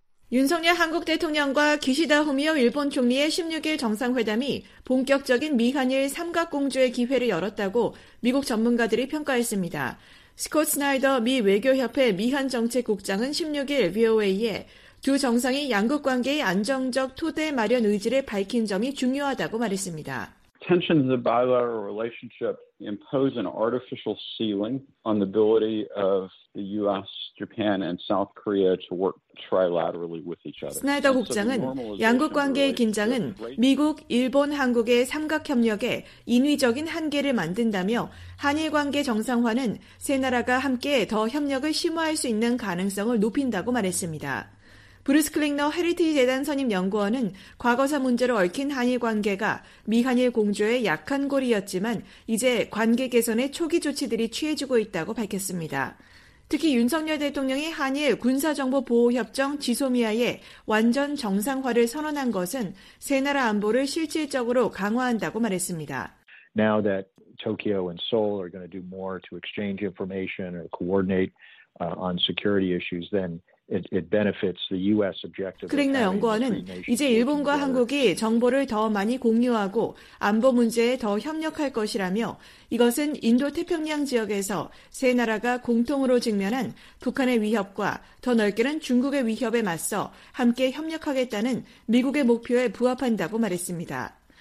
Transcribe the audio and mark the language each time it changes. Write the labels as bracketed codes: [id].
[ko] 윤석열 한국 대통령과 기시다 후미오 일본 총리의 16일 정상회담이 본격적인 미한일 삼각공조의 기회를 열었다고 미국 전문가들이 평가했습니다. 스콧 스나이더 미 외교협회 미한정책국장은 16일 VOA에 두 정상이 양국 관계의 안정적 토대 마련 의지를 밝힌 점이 중요하다고 말했습니다. [en] Tensions of bilateral relationship impose an artificial ceiling on the ability of the U.S., Japan, and South Korea to work trilaterally with each other. [ko] 스나이더 국장은 양국 관계의 긴장은 미국, 일본, 한국의 삼각 협력에 인위적인 한계를 만든다며 한일 관계 정상화는 세 나라가 함께 더 협력을 심화할 수 있는 가능성을 높인다고 말했습니다. 브루스 클링너 헤리티지 재단 선임 연구원은 과거사 문제로 얽힌 한일 관계가 미한일 공조의 약한 고리였지만 이제 관계 개선의 초기 조치들이 취해지고 있다고 밝혔습니다. 특히 윤석열 대통령이 한일 군사정보보호협정 지소미아의 완전 정상화를 선언한 것은 세 나라 안보를 실질적으로 강화한다고 말했습니다. [en] Now that Tokyo and Seoul are going to do more to exchange information or coordinate on security issues then It benefits the U.S. objective. [ko] 클링너 연구원은 이제 일본과 한국이 정보를 더 많이 공유하고 안보 문제에 더 협력할 것이라며 이것은 인도태평양 지역에서 세 나라가 공통으로 직면한 북한의 위협과 더 넓게는 중국의 위협에 맞서 함께 협력하겠다는 미국의 목표에 부합한다고 말했습니다.